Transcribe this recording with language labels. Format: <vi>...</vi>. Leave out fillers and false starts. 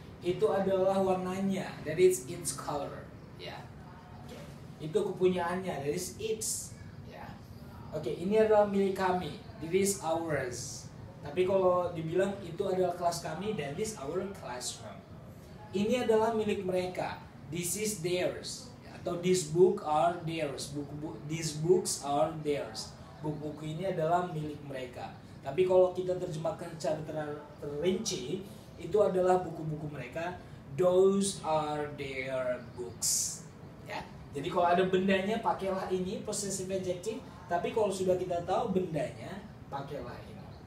<id>Itu adalah warnanya.</id> <en>That is its color.</en> <id>Ya.</id> <en>Yeah. Okay.</en> <id>Itu kepunyaannya.</id> <en>That is its.</en> <id>Ya.</id> <en>Yeah.</en> <id>Oke,</id> <en>okay.</en> <id>Ini adalah milik kami.</id> <en>That is ours.</en> <id>Tapi kalau dibilang itu adalah kelas kami,</id> <en>that is our classroom.</en> <id>Ini adalah milik mereka.</id> <en>This is theirs.</en> <id>Atau</id> <en>this book are theirs. These books are theirs.</en> <id>Buku-buku ini adalah milik mereka. Tapi kalau kita terjemahkan secara terinci, itu adalah buku-buku mereka.</id> <en>Those are their books.</en> <id>Ya. Jadi kalau ada bendanya, pakailah ini, possessive adjective. Tapi kalau sudah kita tahu bendanya, pakailah ini.</id>